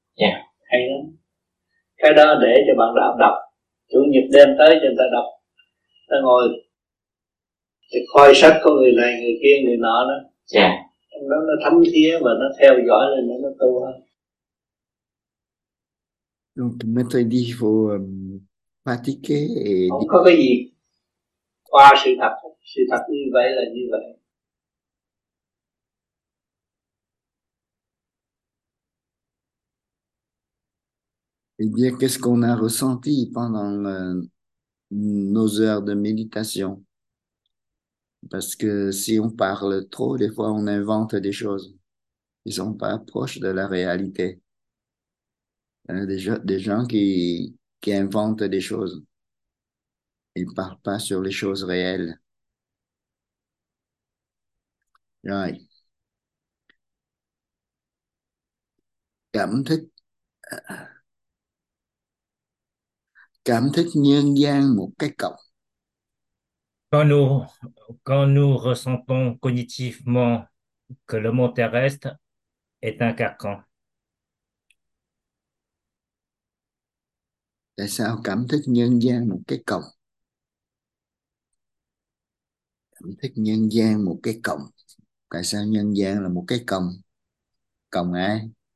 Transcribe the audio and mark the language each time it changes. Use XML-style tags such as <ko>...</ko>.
<vi>Dạ. Hay lắm. Cái đó để cho bạn đạo đọc. Chủ nhật đem tới cho người ta đọc. Ta ngồi thì coi sách của người này, người kia, người nọ đó. Dạ. Trong đó nó thấm thía và nó theo dõi lên nó tu hơn.</vi> <fr>Donc, maintenant, il dit qu'il faut pratiquer et...</fr> <vi>Không có cái gì qua sự thật. Sự thật như vậy là như vậy.</vi> <fr>Et bien, qu'est-ce qu'on a ressenti pendant nos heures de méditation? Parce que si on parle trop, des fois, on invente des choses. Ils ne sont pas proches de la réalité. Des gens qui inventent des choses. Ils parlent pas sur les choses réelles.</fr> <vi>Rồi. Cảm thức nhân gian một cái cọc.</vi> <fr>Quand nous ressentons cognitivement que le monde terrestre est un carcan.</fr> <vi>Tại sao cảm thức nhân gian một cái cổng? Cảm thức nhân gian một cái cổng. Tại sao nhân gian là một cái cổng? Cổng ai?</vi>